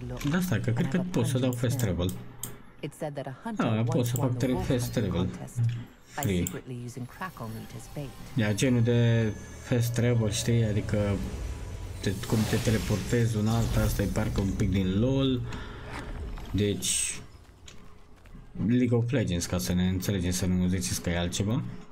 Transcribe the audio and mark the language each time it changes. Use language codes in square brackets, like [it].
[ro] De asta, că cred că pot să dau fast travel. [en] It said that a hunter wants one of the water contest by secretly using crackle meat as bait. [ro] Ia, genul de fast travel, știi, adică cum te teleportezi un alt, asta e parcă un pic din LOL. Deci League of Legends, ca să ne înțelegem, să nu ziceți că e altceva.